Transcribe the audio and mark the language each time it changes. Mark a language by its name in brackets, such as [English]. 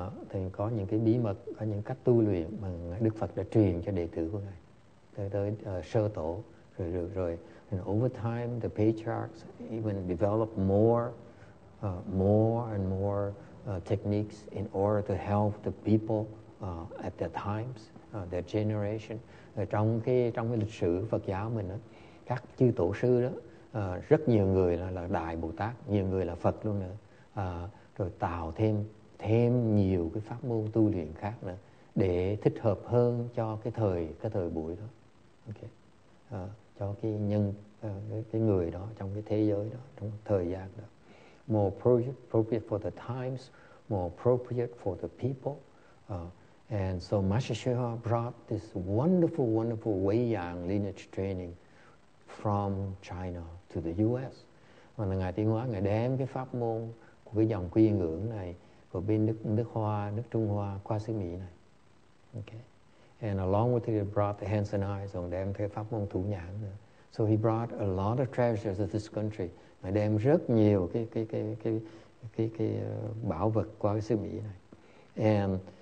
[Vietnamese] Thì có những cái bí mật, có những cách tu luyện mà Đức Phật đã truyền cho đệ tử của ngài tới sơ tổ, rồi. [English] And over time, the patriarchs even developed more and more techniques in order to help the people at their times, their generation. [Vietnamese] Trong cái lịch sử Phật giáo mình đó, các chư tổ sư đó rất nhiều người là đại Bồ Tát, nhiều người là Phật luôn nữa, rồi tạo thêm nhiều cái pháp môn tu luyện khác nữa để thích hợp hơn cho cái thời buổi đó. Okay. Cho cái nhân cái người đó trong cái thế giới đó, trong thời gian đó. [English] More appropriate for the times, more appropriate for the people. And so Master Shiva brought this wonderful, wonderful Wei Yang lineage training from China to the U.S. [Vietnamese] Và ngài Tiến Hóa ngài đem cái pháp môn của cái dòng quy ngưỡng này của bên nước Hoa, nước Trung Hoa qua xứ Mỹ này. [English] Okay. And along with it, he brought the hands and eyes on [Vietnamese] đem cái pháp môn thủ nhãn nữa. [English] So he brought a lot of treasures of this country. [Vietnamese] Ngài đem rất nhiều cái bảo vật qua cái xứ Mỹ này.